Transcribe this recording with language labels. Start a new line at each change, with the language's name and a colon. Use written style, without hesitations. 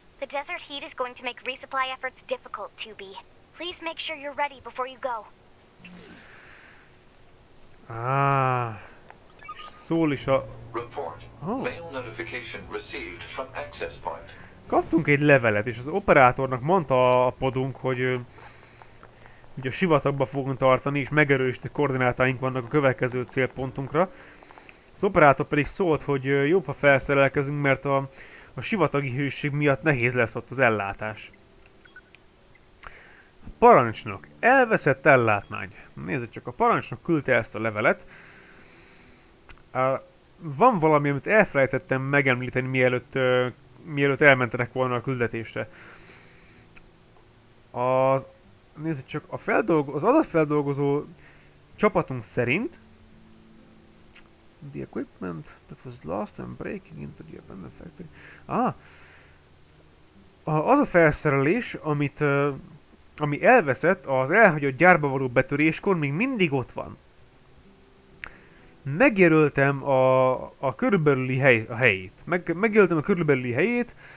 English: The desert heat is going to make resupply efforts difficult, 2B. Please make sure you're ready before you go.
Hungarian: Szól is a...
English: Report. Oh. Mail notification received from access point.
Hungarian: Kaptunk egy levelet, és az operátornak mondta a podunk, hogy a sivatagba fogunk tartani, és megerősített koordinátáink vannak a következő célpontunkra. Az operátor pedig szólt, hogy jobb, ha felszerelkezünk, mert a sivatagi hőség miatt nehéz lesz ott az ellátás. Parancsnok, elveszett ellátmány. Nézzük csak, a parancsnok küldte ezt a levelet. Van valami, amit elfelejtettem megemlíteni, mielőtt elmentenek volna a küldetésre. Nézzük csak, az adatfeldolgozó Csapatunk szerint
English: the equipment that was lost and breaking into the abandoned factory.
Hungarian: Az a felszerelés, amit ami elveszett az elhagyott gyárba való betöréskor, még mindig ott van. Megjelöltem a körülbelüli a helyét. Megjelöltem a körülbelüli helyét.